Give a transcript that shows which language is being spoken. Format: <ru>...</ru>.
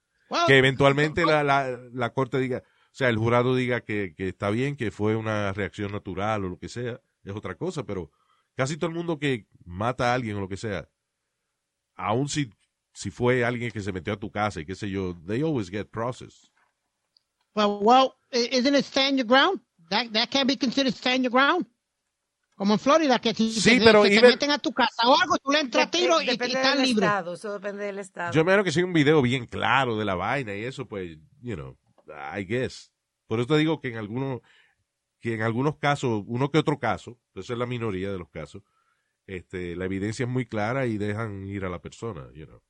<es>Well, que eventualmente la corte diga... O sea, el jurado diga que está bien, que fue una reacción natural o lo que sea, es otra cosa, pero casi todo el mundo que mata a alguien o lo que sea, aun si fue alguien que se metió a tu casa y qué sé yo,</es> <en>they always get processed. Well, isn't it stand your ground? That can't be considered stand your ground.</en> <es>Como en Florida, que si se meten a tu casa o algo, tú le entras a tiro y están libres. Eso depende del estado. Yo me imagino que sea un video bien claro de la vaina y eso, pues,</es> <en>you know. I guess.</en> <es>Por eso te digo que en algunos casos, uno que otro caso, esa es la minoría de los casos, la evidencia es muy clara y dejan ir a la persona,</es> <en>you know.</en>